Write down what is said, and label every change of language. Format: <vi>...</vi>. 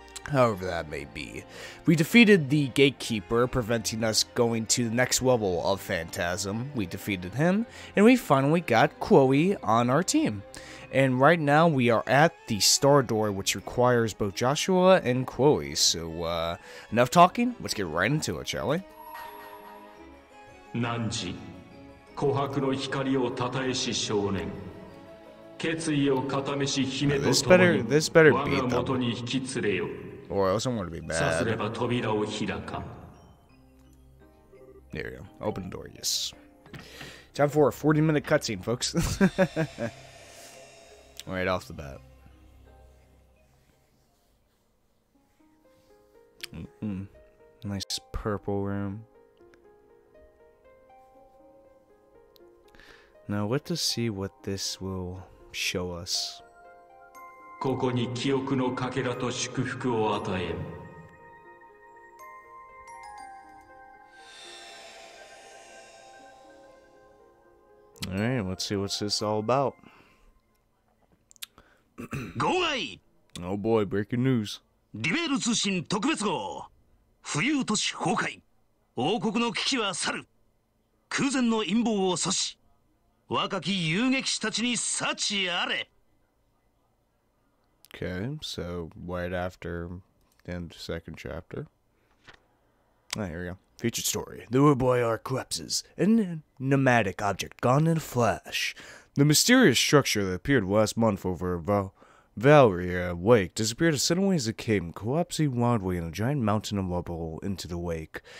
<en>However that may be. We defeated the gatekeeper, preventing us going to the next level of Phantasm. We defeated him, and we finally got Chloe on our team. And right now, we are at the Star Door, which requires both Joshua and Chloe. So, enough talking. Let's get right into it, shall we?</en> <ja>汝、琥珀の光を讃えし少年。決意を固めし姫と共に、</ja> <en>This better be them.</en> <ja>我が元に引き連れよ。</ja> <en>Or else I'm going to be mad.</en> <ja>さすれば扉を開か。</ja> <en>There you go. Open the door, yes. Time for a 40-minute cutscene, folks. Right off the bat. Nice purple room. Now, let us see what this will show us.</en> <ja>ここに記憶のかけらと祝福を与え。</ja> <en>Alright, let's see what's this all about.</en> <ja>ご愛。</ja> <en>Oh boy, breaking news.</en> <ja>リベール通信特別号。浮遊都市崩壊。王国の危機は去る。空前の陰謀を阻止。若き遊撃士たちに幸あれ。</ja> <en>Okay, so right after the end of the second chapter. Ah, here we go. Featured story. The Ouroboros collapses, and a nomadic object gone in a flash. The mysterious structure that appeared last month over Valeria Wake disappeared as suddenly as it came, collapsing wildly in a giant mountain of rubble into the wake.</en>